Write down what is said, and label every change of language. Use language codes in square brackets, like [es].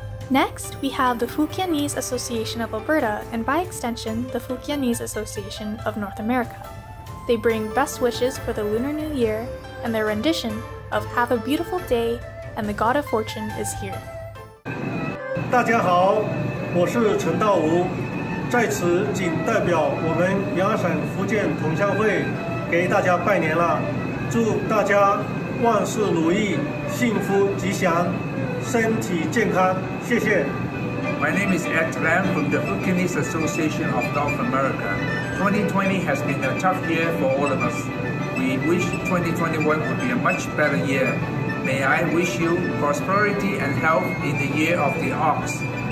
[en] Next, we have the Fujianese Association of Alberta, and by extension, the Fujianese Association of North America. They bring best wishes for the Lunar New Year and their rendition of Have a Beautiful Day and the God of Fortune is Here. [zh] 大家好，我是陈道吴，在此仅代表我们两省福建同乡会给大家拜年了，祝大家万事如意，幸福吉祥，身体健康，谢谢。 [en] My name is Ed Lam from the Fujianese Association of North America. 2020 has been a tough year for all of us. We wish 2021 would be a much better year. May I wish you prosperity and health in the year of the ox.